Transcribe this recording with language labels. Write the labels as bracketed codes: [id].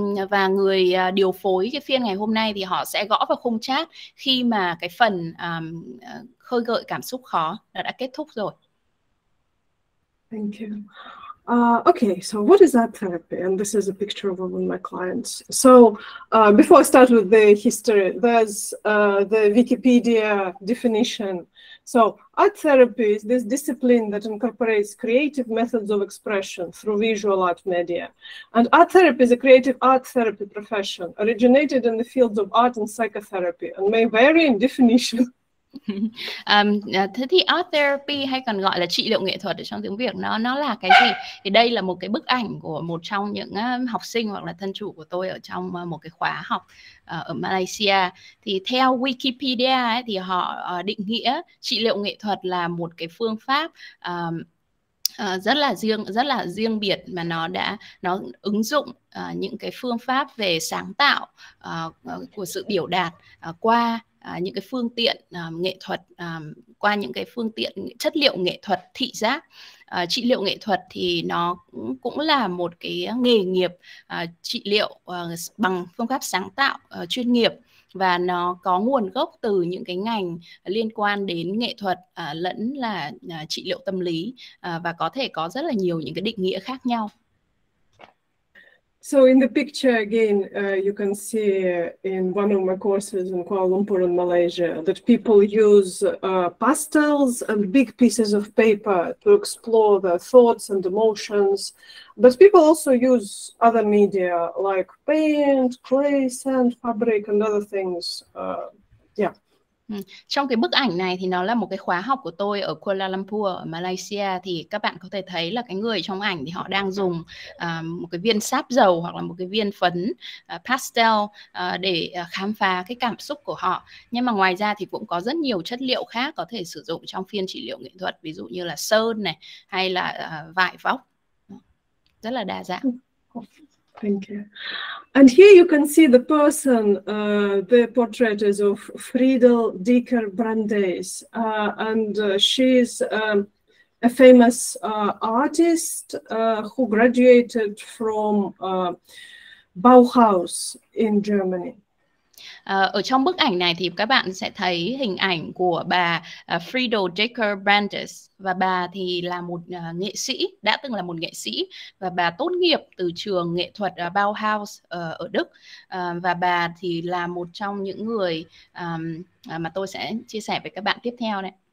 [vi] Và người điều phối cái phiên ngày hôm nay thì họ sẽ gõ vào khung chat khi mà cái phần khơi gợi cảm xúc khó đã kết thúc rồi. [en] Thank you. Okay, so what is art therapy? And this is a picture of one of my clients. So before I start with the history, there's the Wikipedia definition. So art therapy is this discipline that incorporates creative methods of expression through visual art media. And art therapy is a creative art therapy profession originated in the fields of art and psychotherapy and may vary in definition. [vi] Thế thì art therapy hay còn gọi là trị liệu nghệ thuật ở trong tiếng Việt nó là cái gì? Thì đây là một cái bức ảnh của một trong những học sinh hoặc là thân chủ của tôi ở trong một cái khóa học ở Malaysia. Thì theo Wikipedia ấy, thì họ định nghĩa trị liệu nghệ thuật là một cái phương pháp rất là riêng biệt mà nó ứng dụng những cái phương pháp về sáng tạo của sự biểu đạt qua những cái phương tiện nghệ thuật, qua những cái phương tiện chất liệu nghệ thuật thị giác. Trị liệu nghệ thuật thì nó cũng là một cái nghề nghiệp trị liệu bằng phương pháp sáng tạo chuyên nghiệp và nó có nguồn gốc từ những cái ngành liên quan đến nghệ thuật lẫn là trị liệu tâm lý và có thể có rất là nhiều những cái định nghĩa khác nhau. [en] So in the picture again, you can see in one of my courses in Kuala Lumpur in Malaysia that people use pastels and big pieces of paper to explore their thoughts and emotions. But people also use other media like paint, clay, sand, fabric and other things. [vi] Trong cái bức ảnh này thì nó là một cái khóa học của tôi ở Kuala Lumpur ở Malaysia thì các bạn có thể thấy là cái người trong ảnh thì họ đang dùng một cái viên sáp dầu hoặc là một cái viên phấn pastel để khám phá cái cảm xúc của họ. Nhưng mà ngoài ra thì cũng có rất nhiều chất liệu khác có thể sử dụng trong phiên trị liệu nghệ thuật, ví dụ như là sơn này hay là vải vóc. Rất là đa dạng. [en] Thank you. And here you can see the person, the portrait is of Friedel Dieker Brandes. She's a famous artist who graduated from Bauhaus in Germany. [vi] Ở trong bức ảnh này thì các bạn sẽ thấy hình ảnh của bà Friedel Decker Brandes, và bà thì là một nghệ sĩ, đã từng là một nghệ sĩ, và bà tốt nghiệp từ trường nghệ thuật Bauhaus ở Đức, và bà thì là một trong những người mà tôi sẽ chia sẻ với các bạn tiếp theo đấy.